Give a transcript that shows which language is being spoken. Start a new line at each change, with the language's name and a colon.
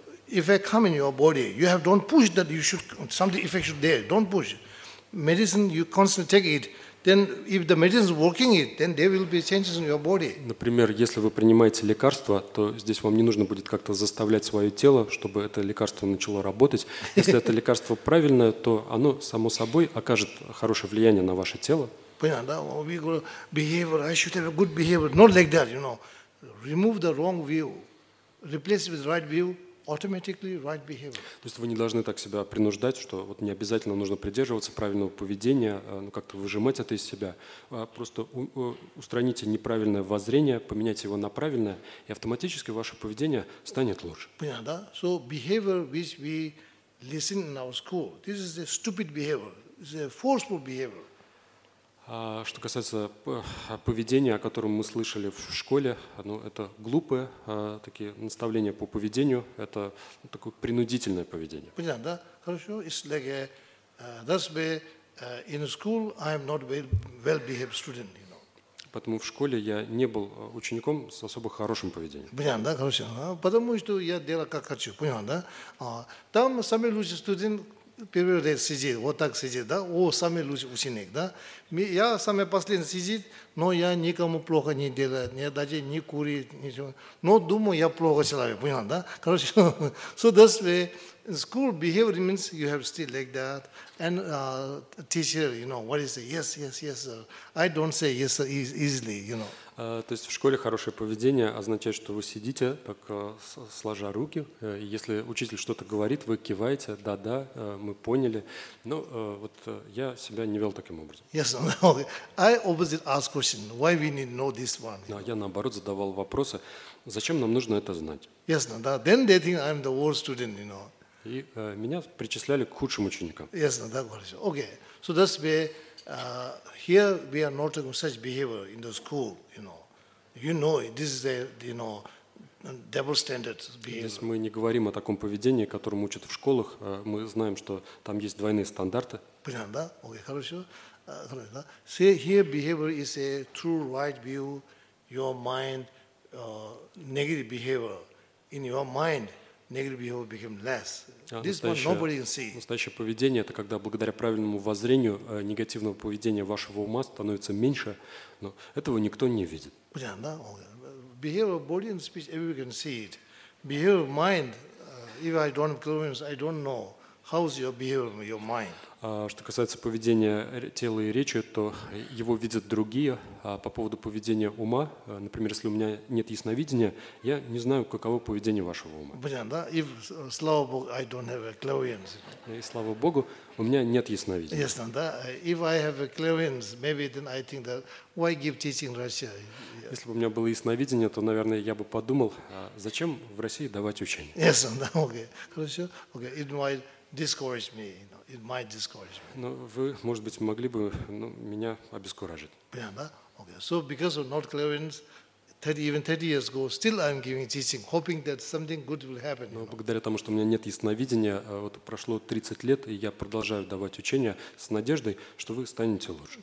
English: If they come in your body, you have don't push that. You should something effect there. Don't push. Medicine you constantly take it. Then if the medicine is working it, then there will be changes in your body.
Russian: Например, если вы принимаете лекарство, то здесь вам не нужно будет как-то заставлять свое тело, чтобы это лекарство начало работать. Если это лекарство правильное, то оно само собой окажет хорошее влияние на ваше тело. Понятно, да?
English: We go behavior. I should have a good behavior. Not like that, you know. Remove the wrong view. Replace it with right view. Automatically right behavior.
Russian: То есть вы не должны так себя принуждать, что вот не обязательно нужно придерживаться правильного поведения, ну как-то выжимать это из себя. Просто устраните неправильное воззрение, поменяйте его на правильное, и автоматически ваше поведение станет лучше. Понятно, да?
English: So behavior which we listen in our school. This is a stupid behavior. It's a forceful behavior.
Russian: Что касается поведения, о котором мы слышали в школе, ну, это глупые такие наставления по поведению, это такое принудительное поведение.
English: Понятно, да? Хорошо. It's like a, that's why in school I'm not a well-behaved student, you know.
Russian: Поэтому в школе я не был учеником с особо хорошим поведением. Понятно, да? Хорошо. Потому что я делаю как хочу. Понятно, да? Там самый лучший студент. Первый ряд сидит, вот так сидит, да? О, самый лучший ученик, да? Я самый последний сидит, но я никому плохо не делаю, не даже не курит, ничего. Но думаю, я плохо человек, понял, да? Короче,
English: so that's why school behavior means you have still like that. And teacher, you know, what is it? Yes, yes, yes, sir. I don't say yes, sir, easily, you know.
Russian: То есть в школе хорошее поведение означает, что вы сидите, так сложа руки. Если учитель что-то говорит, вы киваете, да-да, мы поняли. Но вот я себя не вел таким образом.
English: Yes, no. I opposite ask question. Why we need know this one?
Russian: Но я наоборот задавал вопросы. Зачем нам нужно это знать?
English: Yes, no,
Russian: да.
English: Then they think I'm the worst student, you know.
Russian: И меня причисляли к худшим ученикам.
English: Yes, no,
Russian: да, хорошо.
English: Okay, so that's why. Here we are not talking such behavior in the school, you know. You know, this is a, you know, double standard behavior.
Russian: Здесь мы не говорим о таком поведении, которому учат в школах. Мы знаем, что там есть двойные стандарты. Понятно, да? Окей, хорошо. Хорошо, да?
English: See, here behavior is a true right view, your mind, negative behavior. In your mind, negative behavior became less.
Russian: Настоящее поведение – это когда благодаря правильному воззрению негативного поведения вашего ума становится меньше, но этого никто не видит. Понятно, да?
English: Behavior body and speech, everyone can see it. Behavior mind, if I don't have clearance, I don't know. How's your behavior, your mind?
Russian: Что касается поведения тела и речи, то его видят другие. А по поводу поведения ума, например, если у меня нет ясновидения, я не знаю, каково поведение вашего ума. Понятно, да?
English: If,
Russian: слава Богу,
English: I don't have a clairvoyance.
Russian: И слава Богу, у меня нет ясновидения. Ясно, да?
English: If I have a clairvoyance, maybe then I think that why give teaching Russia?
Russian: Если бы у меня было ясновидение, то, наверное, я бы подумал, зачем в России давать учение? Ясно, да? Окей, хорошо. Окей,
English: it might discourage me, you know. It might discourage me.
Russian: Но вы, может быть, могли бы меня обескуражить. Понятно, да? Окей.
English: So because of not clearance, 30, even 30 years ago, still I'm giving teaching, hoping that something good will happen.
Russian: Но благодаря тому, что у меня нет ясновидения, вот прошло 30 лет, и я продолжаю давать учения с надеждой, что вы станете лучше.